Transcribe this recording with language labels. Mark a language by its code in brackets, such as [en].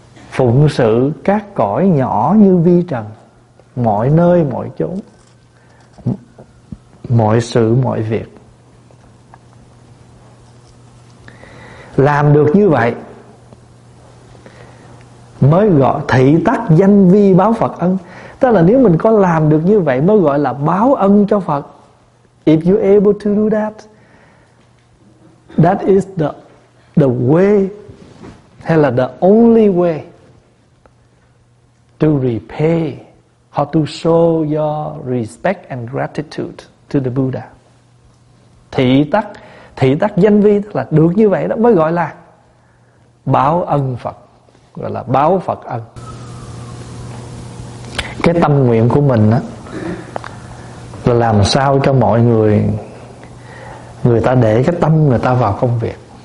[vi] Phụng sự các cõi nhỏ như vi trần, mọi nơi mọi chốn, mọi sự mọi việc. Làm được như vậy mới gọi thị tắc danh vi báo Phật ân. Tức là nếu mình có làm được như vậy mới gọi là báo ân cho Phật. [en] If you're able to do that, that is the way, [vi] hay là [en] the only way to repay or to show your respect and gratitude to the Buddha. [vi] thị tắc danh vi, tức là được như vậy đó mới gọi là báo ân Phật, gọi là báo Phật ân. Cái tâm nguyện của mình đó là làm sao cho mọi người, người ta để cái tâm người ta vào công việc.